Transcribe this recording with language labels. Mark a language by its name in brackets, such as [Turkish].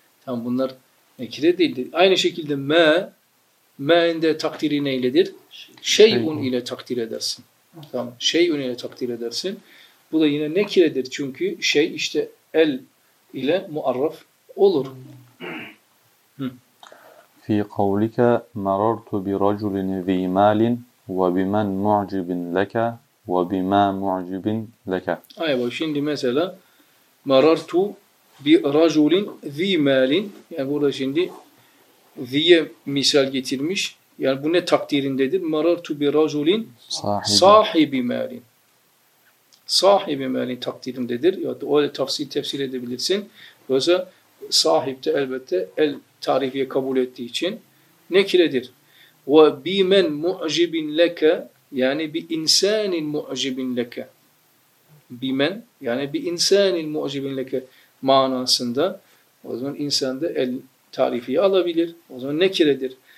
[Turkish] Tamam, bunlar nekire değildir. Aynı şekilde me, me'in de takdiri neyledir? Şeyun ile takdir edersin. Tamam. Şeyun ile takdir edersin. Bu da yine nekiredir. Çünkü şey işte el ile muarraf olur. [Arabic] في قولك مررت برجل ذي مال وبمن معجب لك وبما معجب لك. [Turkish] Ayba şimdi mesela [Arabic] مررت برجل ذي مال, [Turkish] yani burada şimdi ذي'ye misal getirmiş. Yani bu ne takdirindedir? [Arabic] مررت برجل صاحب مال. صاحب مال takdirindedir. [Turkish] Ya da öyle tefsir edebilirsin. Yoksa sahip de elbette el tarifiye kabul ettiği için nekiredir. [Arabic] Ve bimen mu'cibin leke, [Turkish] yani bi insanin mu'cibin leke. Bimen yani bi insanin mu'cibin leke manasında o zaman insan da el tarifiye alabilir. O zaman nekiredir.